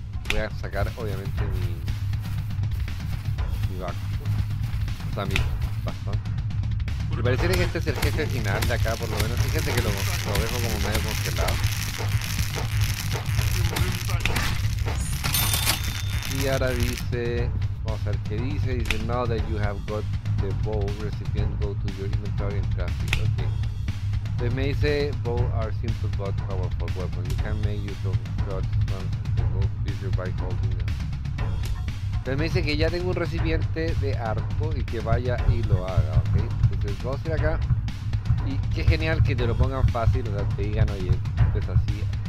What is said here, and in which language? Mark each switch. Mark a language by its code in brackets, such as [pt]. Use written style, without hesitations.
[es] Voy a sacar obviamente mi bajo, o sea, mi bastón. Me parece que este es el jefe final de acá, por lo menos. Fíjense que lo dejo como medio congelado. Y ahora dice, vamos a ver qué dice. Dice: [en] "Now that you have got the bow, recipient, go to your inventory and craft it." Okay. [es] Entonces me dice: [en] "Bow are simple but powerful weapon. You can make use of shots from the bow feature by holding them." [es] Entonces me dice que ya tengo un recipiente de arco y que vaya y lo haga, ¿ok? Entonces vamos a ir acá. Y qué genial que te lo pongan fácil, o sea, te digan: "Oye, esto es así."